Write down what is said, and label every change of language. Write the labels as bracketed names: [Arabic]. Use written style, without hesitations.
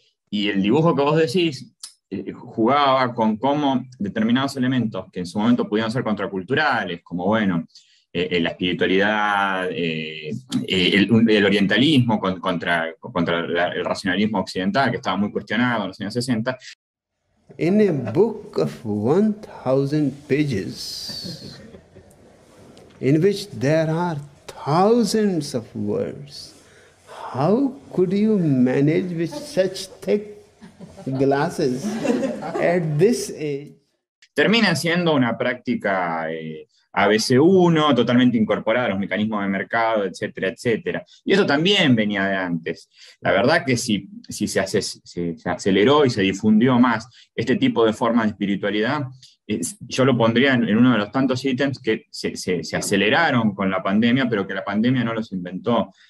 [Spanish] Y el dibujo que vos decís jugaba con cómo determinados elementos que en su momento pudieron ser contraculturales, como bueno, la espiritualidad, el orientalismo contra el racionalismo occidental, que estaba muy cuestionado en los años 60. [English] In a book of 1,000 pages, in which there are thousands of words, how could you manage with such thick glasses at this age? [Spanish] Termina siendo una práctica ABC1, totalmente incorporada a los mecanismos de mercado, etcétera, etcétera. Y eso también venía de antes. La verdad que si se aceleró y se difundió más este tipo de forma de espiritualidad, yo lo pondría en uno de los tantos ítems que se aceleraron con la pandemia, pero que la pandemia no los inventó.